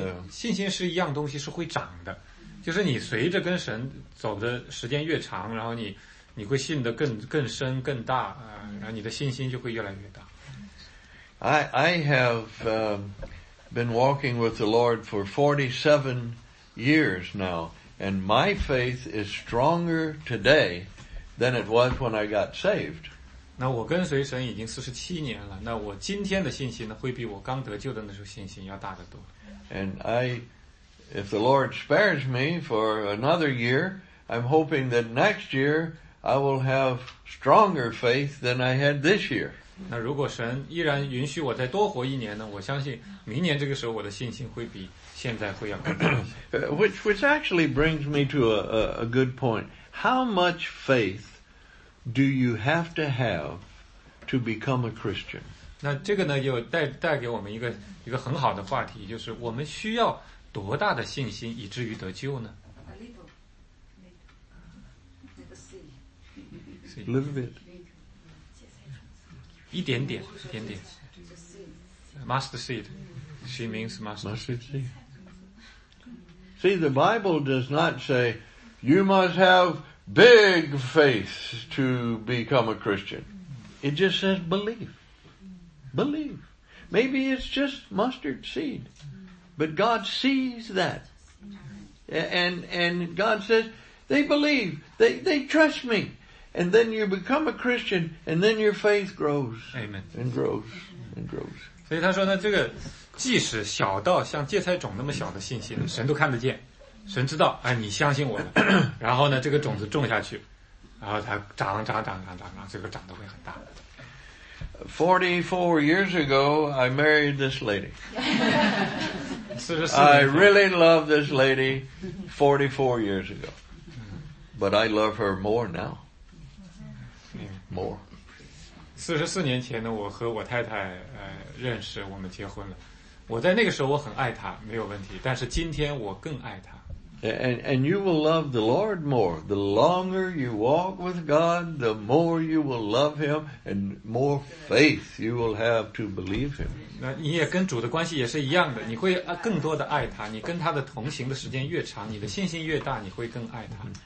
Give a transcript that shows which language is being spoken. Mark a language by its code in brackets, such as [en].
[zh] 信心是一样东西，是会长的，就是你随着跟神走的时间越长，然后你会信得更深更大，然后你的信心就会越来越大。 [en] I have been walking with the Lord for 47 years now, and my faith is stronger today than it was when I got saved. [zh] 那我跟随神已经47年了，那我今天的信心呢，会比我刚得救的那时候信心要大得多。 [en] And if the Lord spares me for another year, I'm hoping that next year I will have stronger faith than I had this year. [zh] 那如果神依然允许我再多活一年呢？我相信明年这个时候我的信心会比现在会要更大。 [en] Which actually brings me to a good point. How much faith do you have to have to become a Christian? [zh] 那这个呢，又带给我们一个很好的话题，就是我们需要多大的信心以至于得救呢 [en] ？A little, little, little bit. [zh] 一点点，一点点。 [en] Mustard seed, she means mustard seed. See, the Bible does not say you must have big faith to become a Christian. It just says believe, believe. Maybe it's just mustard seed, but God sees that, and God says they believe, they trust me. And then you become a Christian, and then your faith grows. Amen. And grows, and grows. [zh] 所以他说呢，这个即使小到像芥菜种那么小的信心，神都看得见，神知道，哎，你相信我了。然后呢，这个种子种下去，然后它长长长长长，然后这个长得会很大。 [en] 44 years ago, I married this lady. 44 I really loved this lady 44 years ago. But I love her more now. More. [zh] 44年前呢，我和我太太认识，我们结婚了。我在那个时候我很爱她，没有问题。但是今天我更爱她。 [en] And you will love the Lord more. The longer you walk with God, the more you will love Him, and more faith you will have to believe Him. [zh] 那你也跟主的关系也是一样的，你会更多的爱他。你跟他的同行的时间越长，你的信心越大，你会更爱他。